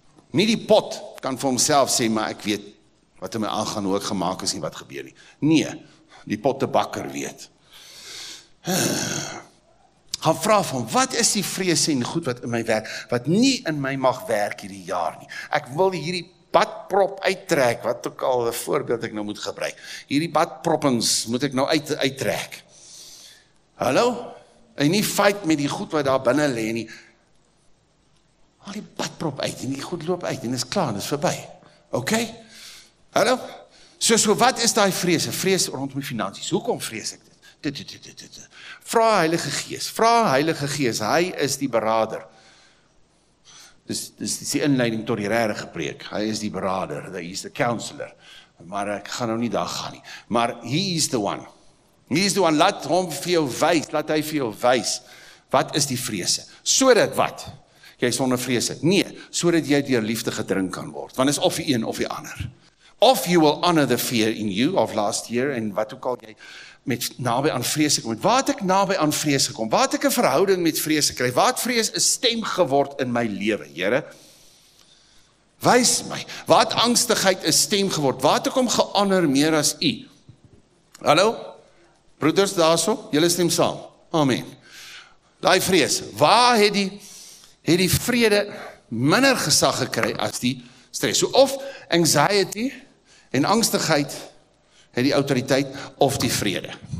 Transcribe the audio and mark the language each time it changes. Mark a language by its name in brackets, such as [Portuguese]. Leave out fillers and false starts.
[Afrikaans] Nie die pot kan vir homself sê, maar ek weet wat in my aangaan, hoe ek gemaak is en wat gebeur nie. Nee, die pot te bakker weet. Gaan vra vir hom, wat is die vrees en goed wat in my werk, wat nie in my mag werk hierdie jaar nie. Ek wil hierdie badprop uittrek, wat ook al een voorbeeld ek nou moet gebruik. Hierdie badproppings moet ek nou uittrek. Hallo? En nie fight met die goed wat daar binnen lê nie. Al die badprop uit en die goed loop uit en is klaar en is verby. Ok? Hallo? So wat is die vrees? Vrees rondom die finansies. Hoekom vrees ek dit? Vra Heilige Gees. Vra Heilige Gees. Hy is die berader. Dis die inleiding tot die rare gepreek. Hy is die berader. Hy is [English] the counselor. [Afrikaans] Maar ek gaan nou nie daar gaan nie. Maar [English] he is the one. [Afrikaans] He is the one. Laat hom vir jou wys. Laat hy vir jou wys. Wat is die vrees? So dat wat? Jy sonder vrees het. Nee, so dat jy deur liefde gedrink kan word. Want is of die een of die ander. [English] Of you will honor the fear in you of last year, [Afrikaans] en wat ook al jy met nabij aan vrees gekom het. Waar het ek nabij aan vrees gekom? Waar het ek een verhouding met vrees gekry? Waar het vrees een stem geword in my lewe, Here? Wys my. Waar het angstigheid een stem geword? Waar het ek om geonder meer as u? Hallo? Broeders, daarso, julle stem saam. Amen. Daai vrees, waar het die vrede minder gesag gekry as die stres. So of anxiety en angstigheid het die autoriteit of die vrede.